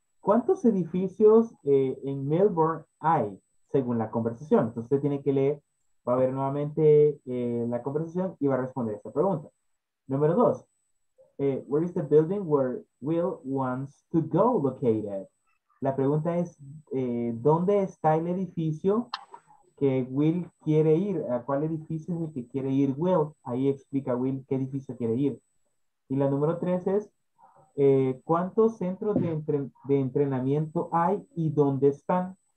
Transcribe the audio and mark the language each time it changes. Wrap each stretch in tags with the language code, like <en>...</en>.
<es>¿Cuántos edificios en Melbourne hay según la conversación? Entonces, tiene que leer, va a ver nuevamente la conversación y va a responder esta pregunta. Número dos.</es> <en>Where is the building where Will wants to go located?</en> <es>La pregunta es, ¿dónde está el edificio que Will quiere ir? ¿A cuál edificio es el que quiere ir Will? Ahí explica Will qué edificio quiere ir. Y la número tres es, ¿cuántos centros de entrenamiento hay y dónde están?</es>